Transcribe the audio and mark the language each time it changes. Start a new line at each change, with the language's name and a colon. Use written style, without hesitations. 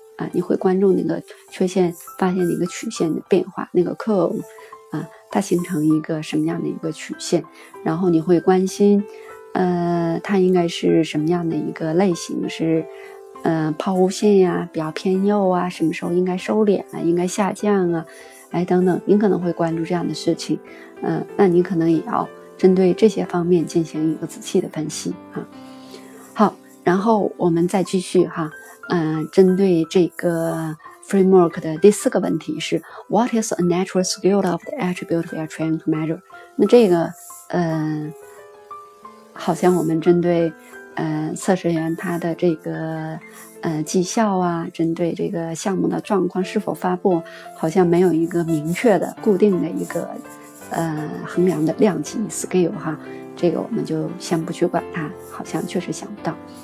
Chinese: 啊，你会关注那个缺陷发现的一个曲线的变化，那个 curve 啊，它形成一个什么样的一个曲线，然后你会关心它应该是什么样的一个类型，是抛物线呀，比较偏右啊，什么时候应该收敛啊，应该下降啊，哎等等，你可能会关注这样的事情。那你可能也要针对这些方面进行一个仔细的分析啊。好，然后我们再继续哈。针对这个 framework 的第四个问题是
English: What is a natural skill of the attribute we are trying to measure?
Chinese: 那这个好像我们针对测试员他的这个绩效啊，针对这个项目的状况是否发布，好像没有一个明确的固定的一个衡量的量级 skill 哈，这个我们就先不去管它，好像确实想不到。